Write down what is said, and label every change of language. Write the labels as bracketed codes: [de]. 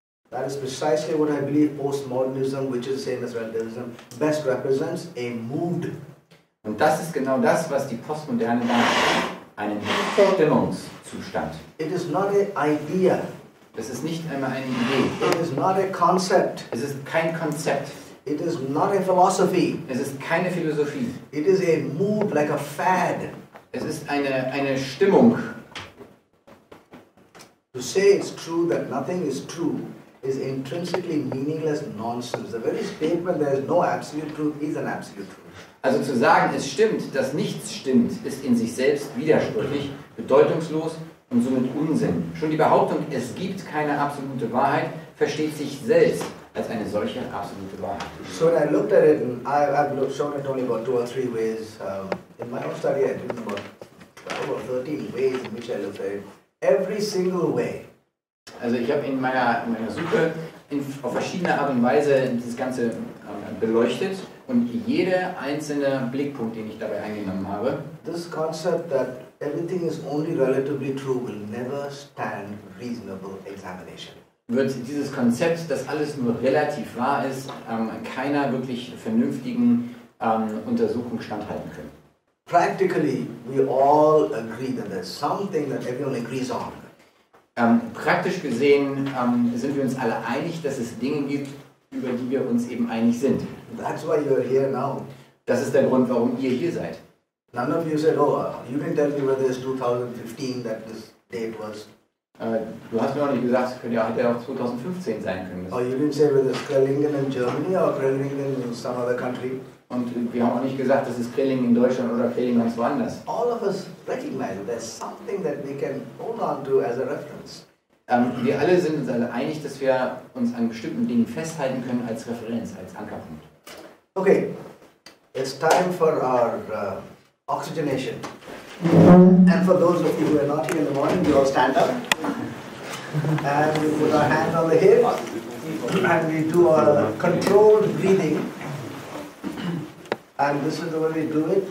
[en] That is precisely what I believe postmodernism, which is the same as relativism, best represents: a mood. [de] Und das ist genau das, was die Postmoderne nennt: einen Stimmungszustand. [en] It is not an idea. [de] Es ist nicht einmal eine Idee. [en] It is not a concept. [de] Es ist kein Konzept. [en] It is not a philosophy. [de] Es ist keine Philosophie. [en] It is a mood, like a fad. [de] Es ist eine Stimmung. [en] To say it's true that nothing is true is intrinsically meaningless nonsense. The very statement there is no absolute truth is an absolute truth. [de] Also zu sagen, es stimmt, dass nichts stimmt, ist in sich selbst widersprüchlich, bedeutungslos und somit Unsinn. Schon die Behauptung, es gibt keine absolute Wahrheit, versteht sich selbst als eine solche absolute Wahrheit. [en] So when I looked at it, and I've shown it only about two or three ways. In my own study, I did about 12 or 13 ways in which I looked at it. Every single way. [de] Also ich habe in meiner Suche auf verschiedene Art und Weise dieses Ganze beleuchtet und jeder einzelne Blickpunkt, den ich dabei eingenommen habe. [en] This concept that everything is only relatively true will never stand reasonable examination. [de] Wird dieses Konzept, dass alles nur relativ wahr ist, keiner wirklich vernünftigen Untersuchung standhalten können. [en] Practically, we all agree that there's something that everyone agrees on. [de] Praktisch gesehen sind wir uns alle einig, dass es Dinge gibt, über die wir uns eben einig sind. [en] That's why you're here now. [de] Das ist der Grund, warum ihr hier seid. [en] None of you said, oh, you didn't tell me whether it's 2015 that this date was. [de] Du hast mir auch nicht gesagt, es könnte ja auch 2015 sein können. [en] Oh, you didn't say whether it's Krellingen in Germany or Krellingen in some other country. [de] Und wir haben auch nicht gesagt, es ist Krellingen in Deutschland oder Krellingen ganz woanders. [en] All of us recognize there's something that we can hold on to as a reference. [de] Wir alle sind uns alle einig, dass wir uns an bestimmten Dingen festhalten können als Referenz, als Ankerpunkt. [en] Okay, it's time for our oxygenation. And for those of you who are not here in the morning, you all stand up. And we put our hands on the hips. And we do our controlled breathing. And this is the way we do it.